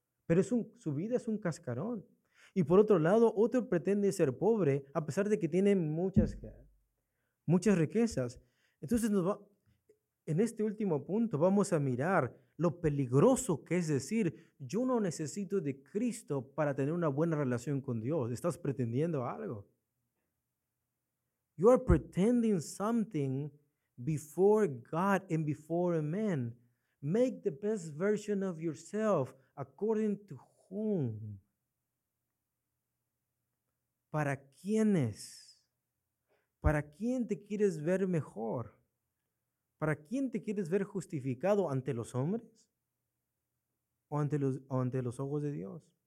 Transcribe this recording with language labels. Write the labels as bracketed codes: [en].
[es] Pero su vida es un cascarón. Y por otro lado, otro pretende ser pobre, a pesar de que tiene muchas riquezas. Entonces, en este último punto vamos a mirar lo peligroso que es decir, yo no necesito de Cristo para tener una buena relación con Dios. Estás pretendiendo algo. [en] You are pretending something before God and before men. Make the best version of yourself according to whom. [es] ¿Para quiénes? ¿Para quién te quieres ver mejor? ¿Para quién te quieres ver justificado? ¿Ante los hombres? ¿O ante los ojos de Dios?